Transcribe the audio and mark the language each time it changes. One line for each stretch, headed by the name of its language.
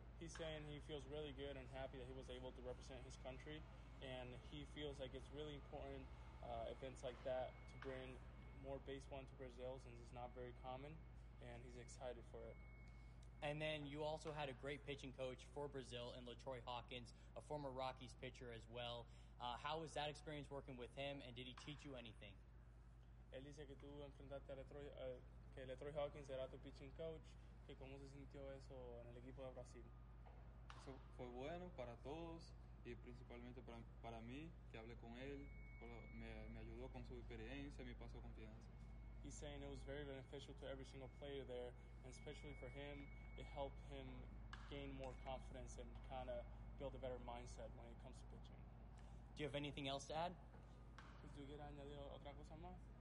English: He's saying he feels really good and happy that he was able to represent his country, and he feels like it's really important events like that to bring more baseball into Brazil, since it's not very common, and he's excited for it. And then you also had a great pitching coach for Brazil in LaTroy Hawkins, a former Rockies pitcher as well. How was that experience working with him, and did he teach you anything?
Spanish: Él dice que tú enfrentaste a LaTroy, que LaTroy Hawkins era tu pitching coach. ¿Y cómo se sintió eso en el equipo de Brasil? Eso fue bueno para todos y principalmente para mí, que hablé con él, me ayudó con su experiencia, me pasó confianza.
English: He's saying it was very beneficial to every single player there, and especially for him, it helped him gain more confidence and kind of build a better mindset when it comes to pitching. Do you have anything else to add?
Spanish: Pues tú quieres añadir otra cosa más?